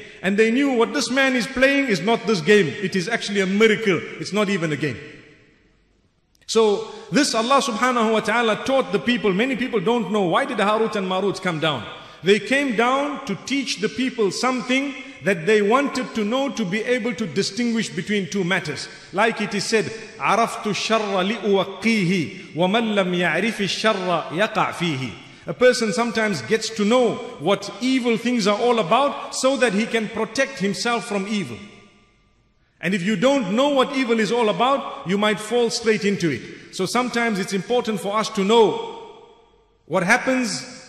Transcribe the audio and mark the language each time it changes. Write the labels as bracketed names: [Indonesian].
[English] And they knew what this man is playing is not this game. It is actually a miracle. It's not even a game. So this Allah subhanahu wa ta'ala taught the people. Many people don't know, why did Harut and Marut come down? They came down to teach the people something that they wanted to know, to be able to distinguish between two matters. Like it is said, [Arabic] عَرَفْتُ الشَّرَّ لِأُوَقِّيهِ وَمَنْ لَمْ يَعْرِفِ الشَّرَّ يَقَعْ فِيهِ. [English] A person sometimes gets to know what evil things are all about so that he can protect himself from evil. And if you don't know what evil is all about, you might fall straight into it. So sometimes it's important for us to know what happens.